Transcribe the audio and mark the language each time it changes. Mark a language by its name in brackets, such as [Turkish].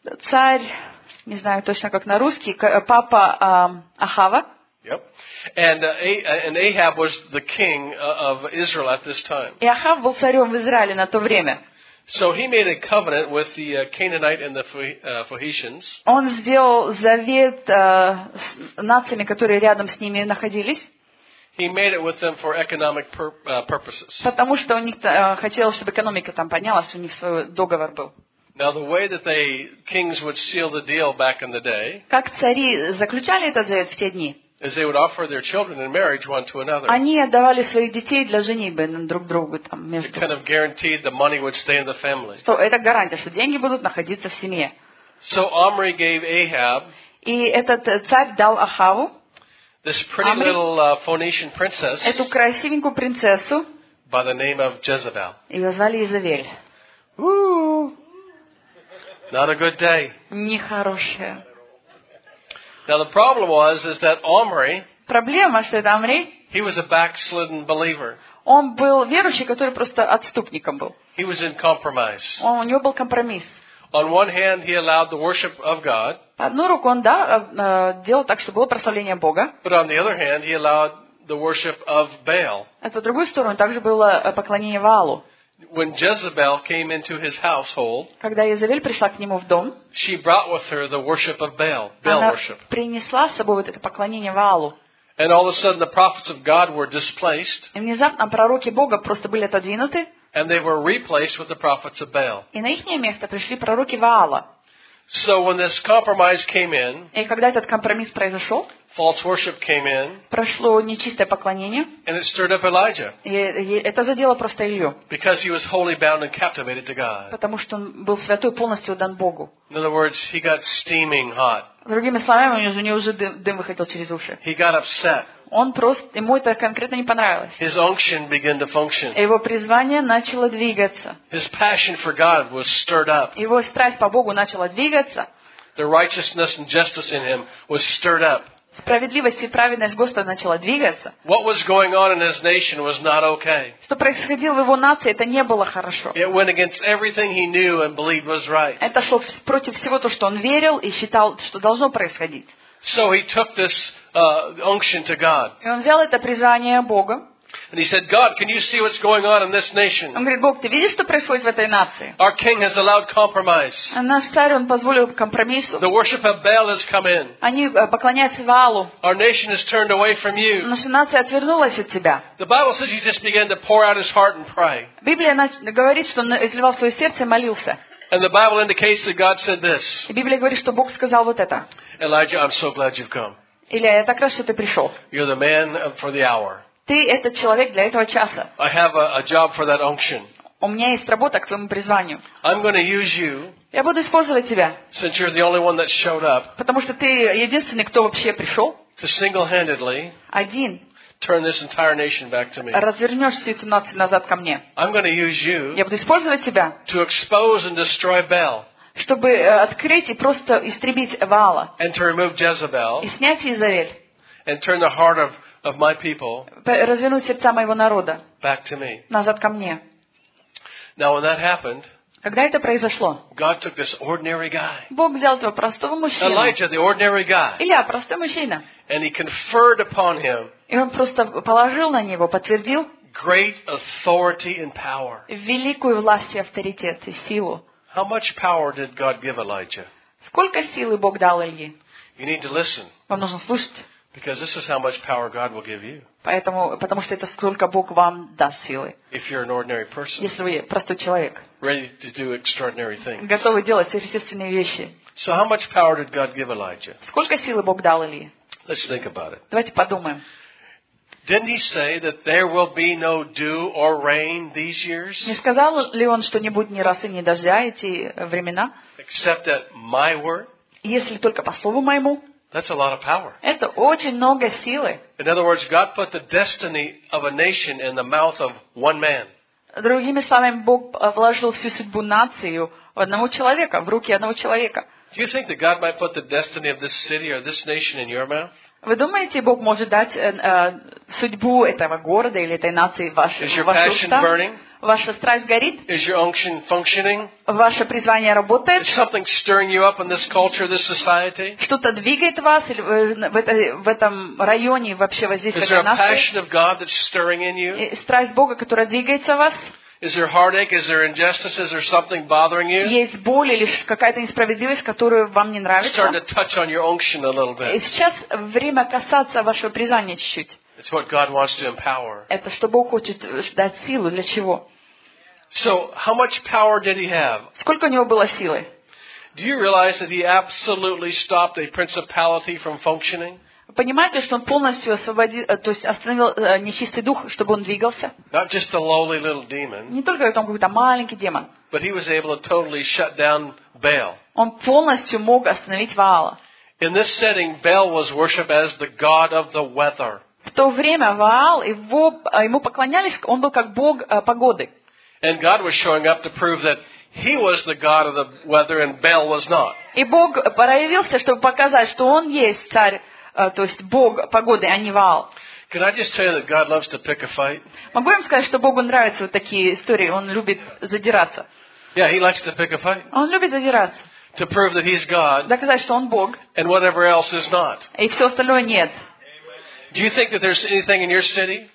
[Russian] Царь, не знаю точно как на русский, папа Ахава. [English] Yep. And Ahab was the king of Israel at this time. [Russian] И Ахав был царем в Израиле на то время. [English] So he made a covenant with the Canaanite and the Phoenicians. [Russian] Он сделал завет с нациями, которые рядом с ними находились. [English] He made it with them for economic purposes. [Russian] Потому что у них хотелось, чтобы экономика там поднялась, у них свой договор был. [English] Now the way that they kings would seal the deal back in the day. [Russian] Как цари заключали этот завет в те дни? [English] As they would offer their children in marriage one to another. [Russian] Они отдавали своих детей для женитьбы друг другу там между. [English] It kind of guaranteed the money would stay in the family. [Russian] Что это гарантия, что деньги будут находиться в семье. [English] So Omri gave Ahab. [Russian] И этот царь дал Ахаву. [English] This pretty little Phoenician princess. [Russian] Эту красивенькую принцессу. [English] By the name of Jezebel. [Russian] Ее звали Изавель. [English] Not a good day. [Russian] Нехорошая. [English] Now the problem was is that Omri. [Russian] Проблема, что это Омри. [English] He was a backslidden believer. [Russian] Он был верующий, который просто отступником был. [English] He was in compromise. [Russian] У него был компромисс. [English] On one hand, he allowed the worship of God. [Russian] Одну руку он да делал так, чтобы было прославление Бога. [English] But on the other hand, he allowed the worship of Baal. [Russian] Это другую сторону, также было поклонение Ваалу. [English] When Jezebel came into his household, [Russian] когда Изавель пришла к нему в дом, [English] she brought with her the worship of Baal, Baal worship. [Russian] Она принесла с собой вот это поклонение Ваалу. [English] And all of a sudden, the prophets of God were displaced. [Russian] И внезапно пророки Бога просто были отодвинуты. [English] And they were replaced with the prophets of Baal. [Russian] И на их место пришли пророки Ваала. [English] So when this compromise came in, [Russian] и когда этот компромисс произошел, [English] False worship came in. [Russian] Прошло нечистое поклонение. [English] And it stirred up Elijah. [Russian] И это задело просто Илью. [English] Because he was wholly bound and captivated to God. [Russian] Потому что он был святой, полностью отдан Богу. [English] In other words, he got steaming hot. [Russian] Другими словами, у него уже дым выходил через уши. [English] He got upset. [Russian] Он просто, ему это конкретно не понравилось. [English] His unction began to function. [Russian] Его призвание начало двигаться. [English] His passion for God was stirred up. [Russian] Его страсть по Богу начала двигаться. [English] The righteousness and justice in him was stirred up. [Russian] Справедливость и праведность Господа начала двигаться. [English] What was going on in his nation was not okay. [Russian] Что происходило в его нации, это не было хорошо. [English] It went against everything he knew and believed was right. [Russian] Это шло против всего того, что он верил и считал, что должно происходить. [English] So he took this unction to God. [Russian] И он взял это призвание Бога. [English] And he said, God, can you see what's going on in this nation? [Russian] Он говорит, Бог, ты видишь, что происходит в этой нации? [English] Our king has allowed compromise. [Russian] Наш царь, он позволил компромиссу. [English] The worship of Baal has come in. [Russian] Они поклоняются Ваалу. [English] Our nation has turned away from you. [Russian] Наша нация отвернулась от тебя. [English] The Bible says he just began to pour out his heart and pray. [Russian] Библия говорит, что он изливал свое сердце и молился. [English] And the Bible indicates that God said this. [Russian] И Библия говорит, что Бог сказал вот это. [English] Elijah, I'm so glad you've come. [Russian] Илия, я так рад, что ты пришел. [English] You're the man for the hour. [Russian] Ты этот человек для этого часа. [English] I have a job for that unction. [Russian] У меня есть работа к твоему призванию. [English] I'm going to use you. [Russian] Я буду использовать тебя. [English] Since you're the only one that showed up. [Russian] Потому что ты единственный, кто вообще пришел. [English] To single-handedly. [Russian] Один. [English] Turn this entire nation back to me. [Russian] Развернешь всю эту нацию назад ко мне. [English] I'm going to use you. [Russian] Я буду использовать тебя. [English] To expose and destroy Baal. [Russian] Чтобы открыть и просто истребить Ваала. [English] And to remove Jezebel. [Russian] И снять Иезавель. [English] And turn the heart of my people. [Russian] Развернуть сердца моего народа. [English] Back to me. [Russian] Назад ко мне. [English] Now when that happened. [Russian] Когда это произошло? [English] God took this ordinary guy. [Russian] Бог взял этого простого мужчину. [English] Elijah, the ordinary guy. [Russian] Илия, простой мужчина. [English] And he conferred upon him. [Russian] И он просто положил на него, подтвердил [English] great authority and power. [Russian] Великую власть и авторитет и силу. [English] How much power did God give Elijah? [Russian] Сколько силы Бог дал Илье? [English] You need to listen. [Russian] Вам нужно слушать. [English] Because this is how much power God will give you. [Russian] Поэтому, потому что это сколько Бог вам даст силы. [English] If you're an ordinary person. [Russian] Если вы простой человек. [English] Ready to do extraordinary things. [Russian] Готовы делать сверхъестественные вещи. [English] So how much power did God give Elijah? [Russian] Сколько силы Бог дал Илье? [English] Let's think about it. [Russian] Давайте подумаем. [English] Didn't he say that there will be no dew or rain these years? [Russian] Не сказал ли он, что не будет ни росы, ни дождя эти времена? [English] Except at my word. [Russian] Если только по слову моему. [English] That's a lot of power. [Russian] Это очень много силы. [English] In other words, God put the destiny of a nation in the mouth of one man. [Russian] Другими словами, Бог вложил всю судьбу нации в одного человека, в руки одного человека. [English] Do you think that God might put the destiny of this city or this nation in your mouth? [Russian] Вы думаете, Бог может дать судьбу этого города или этой нации ваши уста? Ваша страсть горит? [English] Is your unction functioning? [Russian] Ваше призвание работает? [English] Is something stirring you up in this culture, this society? [Russian] Что-то двигает вас или в этом районе вообще воздействует на вас? [English] Is there a passion of God that's stirring in you? [Russian] Страсть Бога, которая двигается в вас? [English] Is there heartache? Is there injustice? Is there something bothering you? [Russian] Есть боль или какая-то несправедливость, которую вам не нравится? [English] Starting to touch on your unction a little bit. [Russian] И сейчас время касаться вашего призвания чуть-чуть. [English] It's what God wants to empower. [Russian] Это что Бог хочет дать силу для чего? [English] So, how much power did he have? [Russian] Сколько у него было силы? [English] Do you realize that he absolutely stopped a principality from functioning? [Russian] Понимаете, что он полностью освободил, то есть остановил нечистый дух, чтобы он двигался? [English] Not just a lowly little demon. [Russian] Не только там какой-то маленький демон. [English] But he was able to totally shut down Baal. [Russian] Он полностью мог остановить Ваала. [English] In this setting, Baal was worshipped as the god of the weather. [Russian] В то время Ваал, ему поклонялись, он был как бог погоды. [English] And God was showing up to prove that he was the god of the weather and Baal was not. [Russian] И Бог проявился, чтобы показать, что он есть царь. То есть Бог погоды, а не Ваал. [English] Can I just tell you that God loves to pick a fight? [Russian] Могу я вам сказать, что Богу нравятся вот такие истории? Он любит задираться. [English] Yeah, he likes to pick a fight. [Russian] Он любит задираться. [English] To prove that he's God. [Russian] Доказать, что он Бог. [English] And whatever else is not. [Russian] И все остальное нет. [English] Do you think that there's anything in your city?